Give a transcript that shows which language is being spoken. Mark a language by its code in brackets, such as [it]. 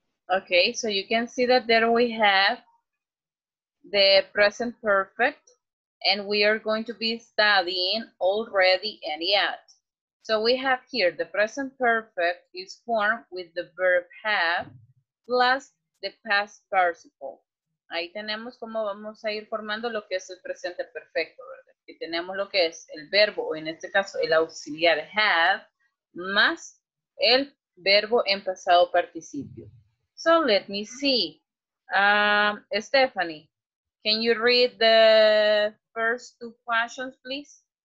[en] Okay, so you can see that there we have the present perfect, and we are going to be studying already and yet. So we have here the present perfect is formed with the verb have plus the past participle. [es] Ahí tenemos cómo vamos a ir formando lo que es el presente perfecto, ¿verdad? Aquí tenemos lo que es el verbo, o en este caso el auxiliar have, más el verbo en pasado participio. [en] So let me see. Stephanie, can you read the first two questions, please?